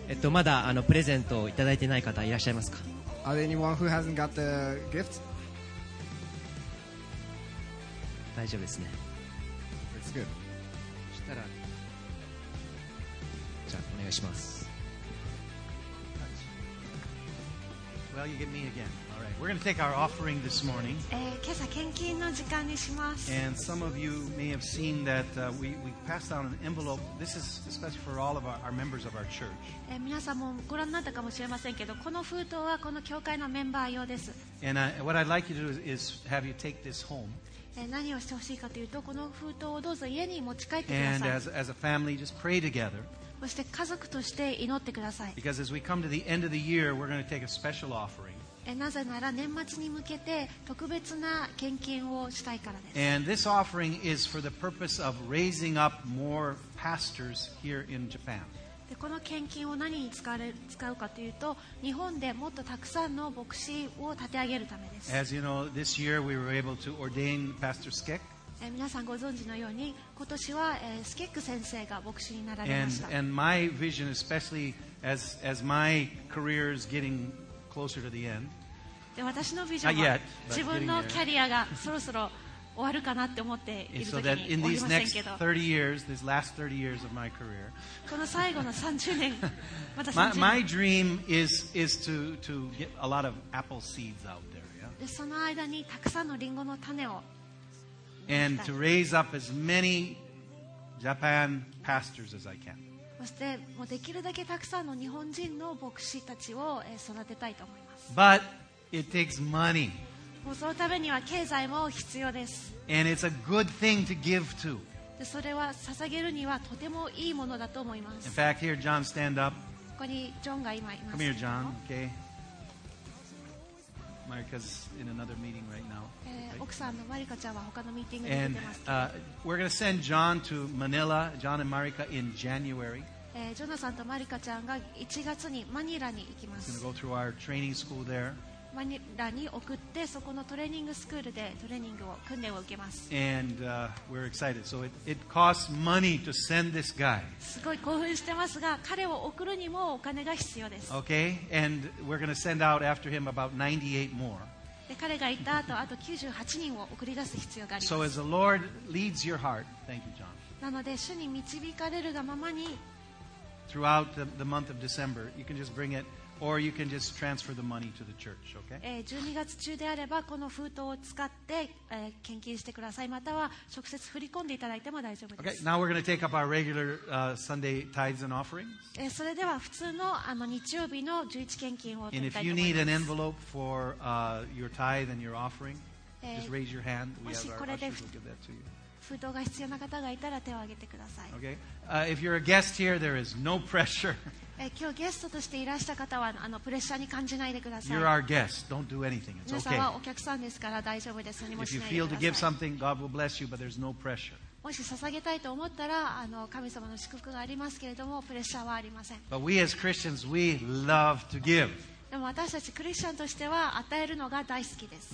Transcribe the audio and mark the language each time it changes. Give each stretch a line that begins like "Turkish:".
Japanese: まだプレゼントをいただいてない方いらっしゃいますか
English: Are there anyone who hasn't got the gift?
Japanese: 大丈夫ですね
English: That's good.
Japanese: そしたらじゃあお願いします
English: You get me again. All right. We're going to take our offering this morning.
Japanese: 今朝献金の時間にします。
English: And some of you may have seen that we passed out an envelope. This is especially for all of our members of our church.
Japanese: 皆さんもご覧になったかもしれませんけど、この封筒はこの教会のメンバー用です。
English: And what I'd like you to do is have you take this home.
Japanese: 何をしてほしいかというと、この封筒をどうぞ家に持ち帰ってください。
English: And as a family, just pray together.
Japanese: そして家族として祈ってください。
English: Because as we come to the end of the year, we're going to take a special offering.
Japanese: なぜなら年末に向けて特別な献金をしたいからです。
English: And this offering is for the purpose of raising up more pastors here in Japan.
Japanese: でこの献金を何に使うかというと、日本でもっとたくさんの牧師を立て上げるためです。
English: As you know, this year we were able to ordain Pastor Skek.
Japanese: 皆さんご存知のように今年は、スケック先生が牧師になられました
English: and my vision, especially as my career is getting closer to the end,
Japanese: で私のビジョンは
English: Not yet,
Japanese: 自分のキャリアがそろそろ終わるかなって思っている時に
English: so that in these next 30 years, these last 30 years of my career,
Japanese: この最後の30年 また30 年
English: my dream is to get a lot of apple seeds out there.、Yeah?
Japanese: でその間にたくさんのリンゴの種を
English: And to raise up as many Japan pastors as I can.
Japanese: そしてもうできるだけたくさんの日本人の牧師たちを育てたいと思います。
English: But it takes money.
Japanese: もうそのためには経済も必要です。
English: And it's a good thing to give to.
Japanese: でそれは捧げるにはとてもいいものだと思います。
English: In fact, here, John, stand up.
Japanese: ここにジョンが今います。
English: Come here, John. Okay. Marika's in another meeting right now.
Japanese: 奥さんのマリカちゃんは他のミーティングに行ってます。
English: And we're going to send John to Manila, John and Marika in January.
Japanese: ジョナサンとマリカちゃんが1月にマニラに行きます。
English: He's going to go through our training school there.
Japanese: マニラに送ってそこのトレーニングスクールでトレーニングを訓練を受けます。
English: And we're excited. So it costs money to send this guy.
Japanese: すごい興奮してますが、彼を送るにもお金が必要です。
English: Okay, and we're going to send out after him about 98 more.
Japanese: で彼が行った後あと98人を送り出す必要があります。
English: So as the Lord leads your heart, thank you, John.
Japanese: なので主に導かれるがままに。
English: Throughout the month of December, you can just bring it. Or you can just transfer the money to the church, okay?
Japanese: 12月中であればこの封筒を使って、献金してください。または直接振り込んでいただいても大丈夫です。
English: Okay, now we're going to take up our regular Sunday tithes and offerings.
Japanese: それでは普通の、あの日曜日の11献金を取りたいと思います。
English: And if you need an envelope for your tithe and your offering, just raise your hand. We have our ushers will give that to you.
Japanese: 封筒が必要な方がいたら手を挙げてください。
English: Okay. If you're a guest here, there is no pressure.
Japanese: 今日ゲストとしていらした方はあのプレッシャーに感じないでください。
English: You're our guest. Don't do anything. It's okay.
Japanese: 皆さんはお客さんですから大丈夫です。何もしないでください。
English: If you feel to give something, God will bless you, but there's no pressure.
Japanese: もし捧げたいと思ったらあの神様の祝福がありますけれどもプレッシャーはありません。
English: But we as Christians, we love to give.
Japanese: でも私たちクリスチャンとしては与えるのが大好きです。